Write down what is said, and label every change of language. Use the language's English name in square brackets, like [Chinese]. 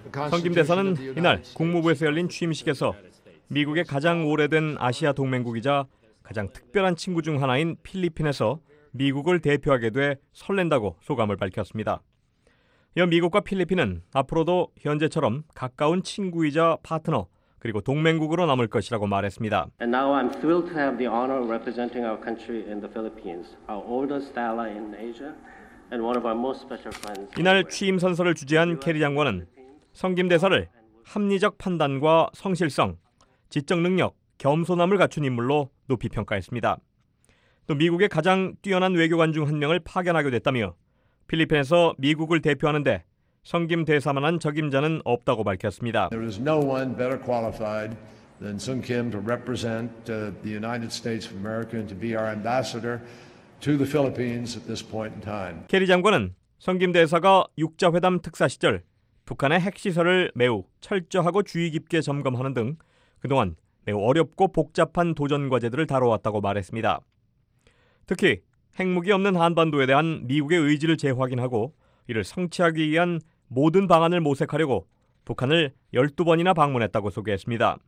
[Korean] 성김 대사는 이날 국무부에서 열린 취임식에서 미국의 가장 오래된 아시아 동맹국이자 가장 특별한 친구 중 하나인 필리핀에서 미국을 대표하게 돼 설렌다고 소감을 밝혔습니다. 이어 미국과 필리핀은 앞으로도 현재처럼 가까운 친구이자 파트너 그리고 동맹국으로 남을 것이라고 말했습니다. [English] And now I'm thrilled to have the honor of representing our country in the Philippines, our oldest ally in Asia, and one of our most special friends. [Korean] 이날 취임 선서를 주재한 케리 장관은 성김 대사를 합리적 판단과 성실성, 지적 능력, 겸손함을 갖춘 인물로 높이 평가했습니다. 또 미국의 가장 뛰어난 외교관 중 한 명을 파견하게 됐다며 필리핀에서 미국을 대표하는 데 성김 대사만한 적임자는 없다고 밝혔습니다. [English] There is no one better qualified than Sung Kim to represent the United States of America and to be our ambassador to the Philippines at this point in time. [Korean] 캐리 장관은 성김 대사가 6자회담 특사 시절 북한의 핵시설을 매우 철저하고 주의 깊게 점검하는 등 그동안 매우 어렵고 복잡한 도전 과제들을 다뤄왔다고 말했습니다. 특히 핵무기 없는 한반도에 대한 미국의 의지를 재확인하고 이를 성취하기 위한 모든 방안을 모색하려고 북한을 12번이나 방문했다고 소개했습니다.